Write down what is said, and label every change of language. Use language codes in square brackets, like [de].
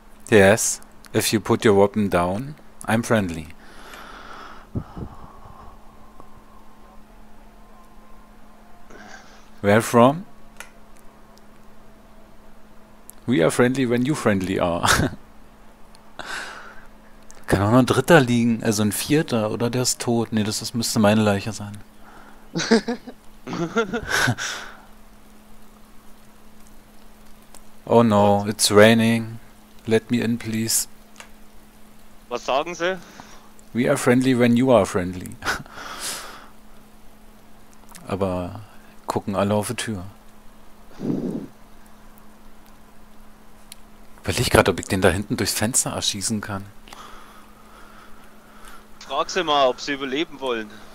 [en] Yes, if you put your weapon down, I'm friendly. Where from? We are friendly when you friendly are. [de] Kann auch noch ein Dritter liegen, also ein Vierter, oder der ist tot. Nee, das müsste meine Leiche sein. [en] Oh no, it's raining. Let me in, please. [de] Was sagen Sie? [en] We are friendly when you are friendly. [de] Aber gucken alle auf die Tür. Überleg gerade, ob ich den da hinten durchs Fenster erschießen kann. Frag sie mal, ob sie überleben wollen.